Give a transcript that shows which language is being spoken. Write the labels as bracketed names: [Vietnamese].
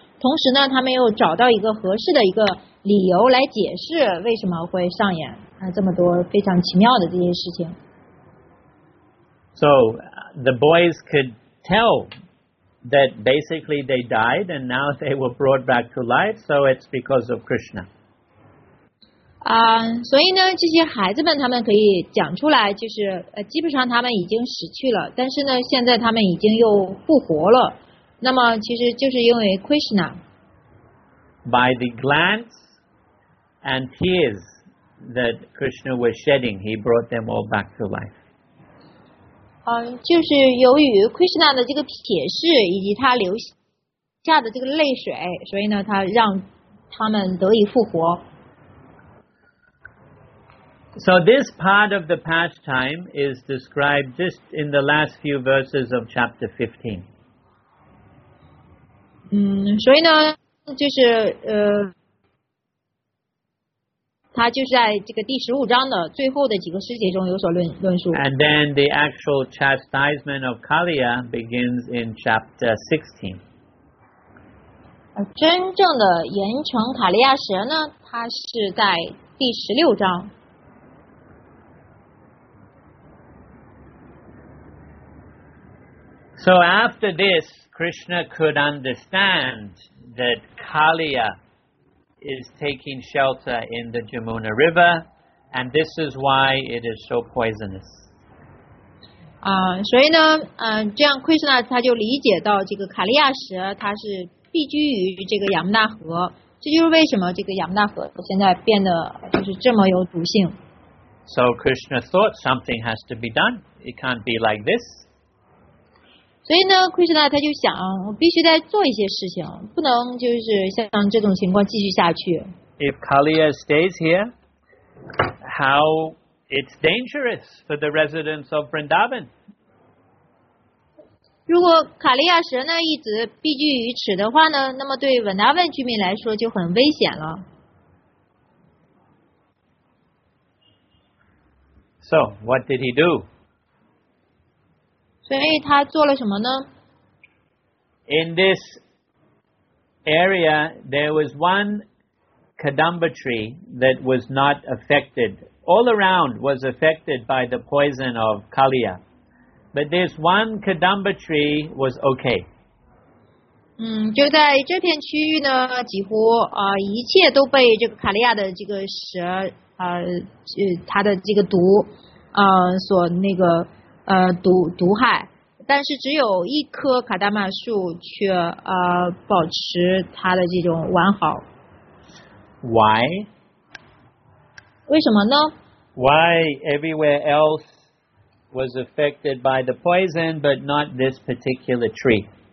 [Chinese] 同时呢，他们又找到一个合适的一个理由来解释为什么会上演这么多非常奇妙的这些事情。 [English] So the boys could tell that basically they died and now they were brought back to life. So it's because of Krishna. [Chinese] 所以呢，这些孩子们他们可以讲出来，就是基本上他们已经死去了，但是呢，现在他们已经又复活了。那么其实就是因为 Krishna。 [English] By the glance and tears that Krishna was shedding, he brought them all back to life. [Chinese] 就是由于 Krishna 的这个瞥视以及他流下的这个泪水，所以呢，他让他们得以复活。 [English] So this part of the pastime is described just in the last few verses of chapter 15. [Chinese] 所以呢，就是他就是在这个第十五章的最后的几个诗节中有所论述。 [English] And then the actual chastisement of Kaliya begins in chapter 16. [Chinese] 真正的严惩卡利亚蛇呢，它是在第十六章。 [English] So after this, Krishna could understand that Kaliya is taking shelter in the Jamuna River, and this is why it is so poisonous. [Chinese] 所以呢，这样 Krishna 他就理解到这个卡利亚蛇它是避居于这个亚木纳河，这就是为什么这个亚木纳河现在变得就是这么有毒性。 [English] So Krishna thought something has to be done. It can't be like this. [Chinese] 所以呢 ，Krishna 他就想，我必须得做一些事情，不能就是像这种情况继续下去。 [English] if Kalia stays here, how it's dangerous for the residents of Vrindavan. [Chinese] 如果卡利亚蛇呢一直避居于此的话呢，那么对 Vrindavan 居民来说就很危险了。 [English] So, what did he do? [Chinese] 所以他做了什么呢？ [English] In this area, there was one Kadamba tree that was not affected. All around was affected by the poison of Kalia. But this one Kadamba tree was okay. [Chinese] 就在这片区域呢，几乎一切都被这个卡利亚的这个蛇它的这个毒所那个毒害，但是只有一棵卡达玛树却保持它的这种完好。 [English] Why? [Chinese] 为什么呢？ [English] Why everywhere else was affected by the poison but not this particular tree?